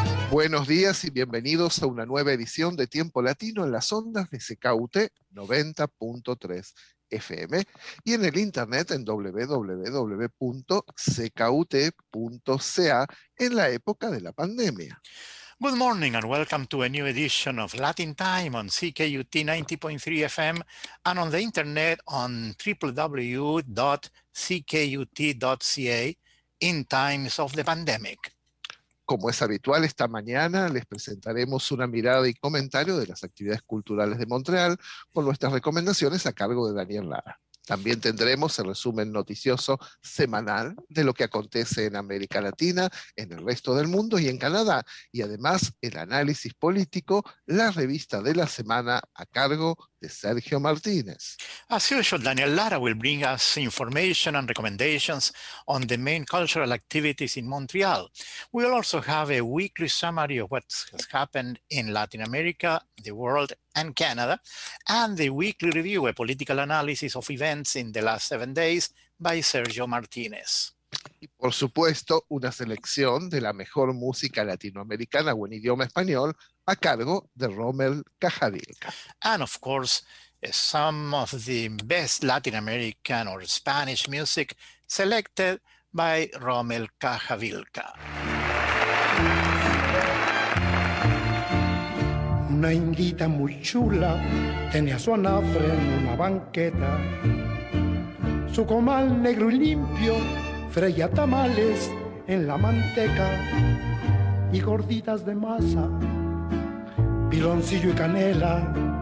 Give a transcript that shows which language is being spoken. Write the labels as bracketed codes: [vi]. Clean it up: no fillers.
[es] Buenos días y bienvenidos a una nueva edición de Tiempo Latino en las ondas de CKUT 90.3 FM y en el internet en www.ckut.ca en la época de la pandemia. [en] Good morning and welcome to a new edition of Latin Time on CKUT 90.3 FM and on the internet on www.ckut.ca in times of the pandemic. [es] Como es habitual, esta mañana les presentaremos una mirada y comentario de las actividades culturales de Montreal con nuestras recomendaciones a cargo de Daniel Lara. También tendremos el resumen noticioso semanal de lo que acontece en América Latina, en el resto del mundo y en Canadá. Y además, el análisis político, la revista de la semana a cargo de Sergio Martínez. [en] As usual, Daniel Lara will bring us information and recommendations on the main cultural activities in Montreal. We will also have a weekly summary of what has happened in Latin America, the world, and Canada, and the weekly review, a political analysis of events in the last 7 days, by Sergio Martínez. [es] Y por supuesto, una selección de la mejor música latinoamericana o en idioma español a cargo de Rommel Cajadilca. [en] And of course, some of the best Latin American or Spanish music selected by Rommel Cajadilca. [es] Una indita muy chula tenía su anafre en una banqueta, su comal negro y limpio freía tamales en la manteca y gorditas de masa, piloncillo y canela.